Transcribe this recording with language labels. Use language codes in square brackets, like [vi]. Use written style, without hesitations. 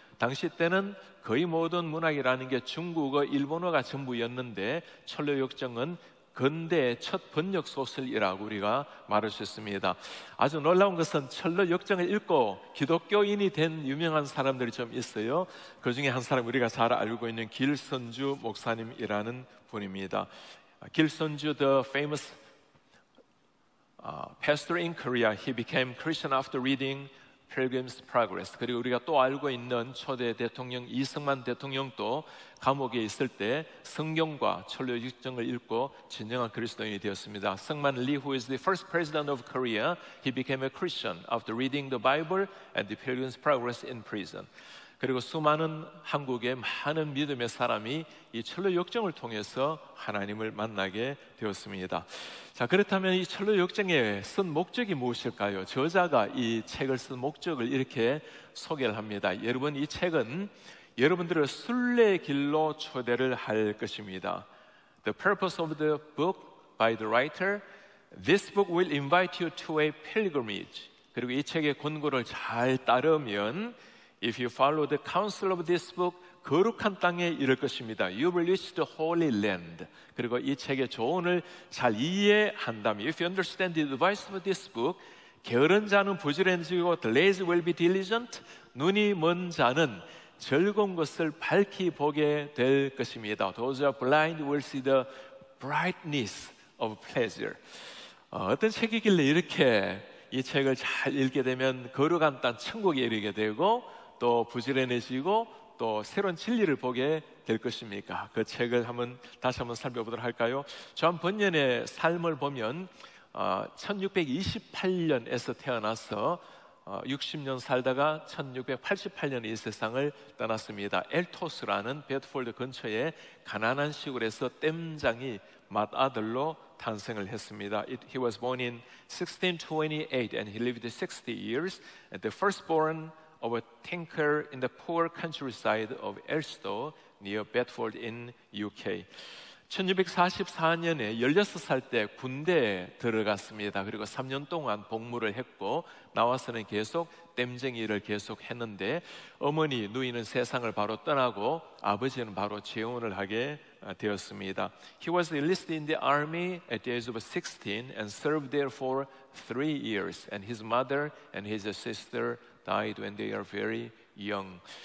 [ko] 당시 때는 거의 모든 문학이라는 게 중국어, 일본어가 전부였는데 철로 역정은 근대의 첫 번역 소설이라고 우리가 말할 수 있습니다. 아주 놀라운 것은 철로 역정을 읽고 기독교인이 된 유명한 사람들이 좀 있어요. 그 중에 한 사람 우리가 잘 알고 있는 길선주 목사님이라는 분입니다. [en] 길선주, the famous pastor in Korea, he became Christian after reading [ko] Pilgrim's Progress, 그리고 우리가 또 알고 있는 초대 대통령 이승만 대통령도 감옥에 있을 때 성경과 철로육정을 읽고 진정한 그리스도인이 되었습니다. [en] 승만 Lee, who is the first president of Korea, he became a Christian after reading the Bible and the Pilgrim's Progress in prison. [ko] 그리고 수많은 한국의 많은 믿음의 사람이 이 철로역정을 통해서 하나님을 만나게 되었습니다. 자, 그렇다면 이 철로역정에 쓴 목적이 무엇일까요? 저자가 이 책을 쓴 목적을 이렇게 소개를 합니다. 여러분, 이 책은 여러분들을 순례길로 초대를 할 것입니다. [en] The purpose of the book by the writer, this book will invite you to a pilgrimage. [ko] 그리고 이 책의 권고를 잘 따르면 [en] If you follow the counsel of this book, [ko] 거룩한 땅에 이를 것입니다. [en] You will reach the holy land. [ko] 그리고 이 책의 조언을 잘 이해한다면, [en] If you understand the advice of this book, [ko] 게으른 자는 부지런해지고, [en] The lazy will be diligent. [ko] 눈이 먼 자는 즐거운 것을 밝히 보게 될 것입니다. [en] Those who are blind will see the brightness of pleasure. [ko] 어떤 책이길래 이렇게 이 책을 잘 읽게 되면 거룩한 땅, 천국에 이르게 되고, 또 부지런해지고 또 새로운 진리를 보게 될 것입니까? 그 책을 한번 다시 한번 살펴보도록 할까요? 존 번연의 삶을 보면 1628년에서 태어나서 60년 살다가 1688년에 이 세상을 떠났습니다. 엘토스라는 베드폴드 근처에 가난한 시골에서 땜장이 맏아들로 탄생을 했습니다. [en] He was born in 1628 and he lived 60 years. And the firstborn of a tinker in the poor countryside of Elstow near Bedford in UK. [ko] 1644년에 16살 때 군대에 들어갔습니다. 그리고 3년 동안 복무를 했고 나와서는 계속 땜쟁이를 계속 했는데 어머니 누이는 세상을 바로 떠나고 아버지는 바로 재혼을 하게 되었습니다. [en] He was enlisted in the army at the age of 16 and served there for 3 years and his mother and his sister died when they are very young.